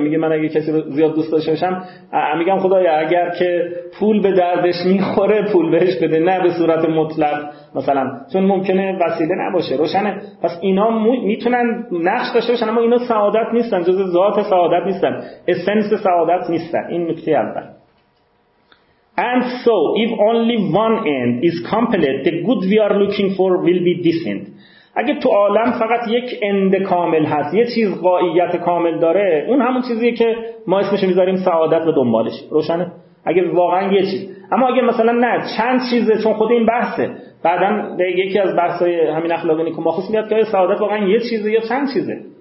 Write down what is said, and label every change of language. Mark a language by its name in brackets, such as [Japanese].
[Persian] میگه من اگه کسی رو زیاد دوست داشته باشم، میگم خدایا اگر که پول به دردش میخوره پول بهش بده، نه به صورت مطلق مثلا، چون ممکنه وسیله نباشه. روشنه؟ پس اینا میتونن نقش داشته باشن، اما اینا سعادت نیستن، جز ذات سعادت نیستن، اسنس سعادت نیستن. این نکته اول. [English] And so if only one end is complete, the good we are looking for will be this end. [Persian] اگه تو عالم فقط یک اند کامل هست، یه چیز غایت کامل داره، اون همون چیزیه که ما اسمش میذاریم سعادت و دنبالش. روشنه؟ اگه واقعا یه چیز، اما اگه مثلا نه چند چیزه، چون خود این بحثه، بعدن به یکی از بحثای همین اخلاق نیکو ماخوس میاد که سعادت واقعا یه چیزه یا چند چیزه.